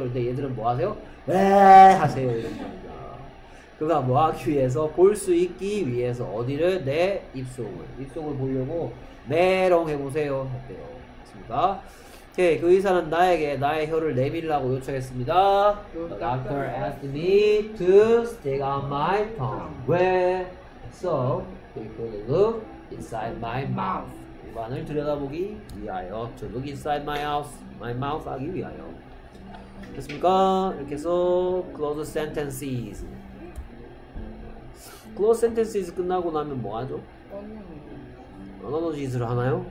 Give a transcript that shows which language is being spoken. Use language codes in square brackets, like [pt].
[ko] 그런데 얘들은 뭐 하세요? 에에 하세요. 이랬습니다. 그가 뭐 하기 위해서? 볼 수 있기 위해서. 어디를? 내 입속을. 입속을 보려고 메롱 해보세요. 했대요. 됐습니까? 오케이, 그 의사는 나에게 나의 혀를 내밀라고 요청했습니다. [en] The doctor asked me to stick out my tongue. 왜? So he could look inside my mouth. [ko] 입안을 들여다보기 위하여. [en] To look inside my house, my mouth 하기 위하여. 됐습니까? [ko] 이렇게 해서 close sentences. Close sentences 끝나고 나면 뭐 하죠? 언어노짓을 하나요?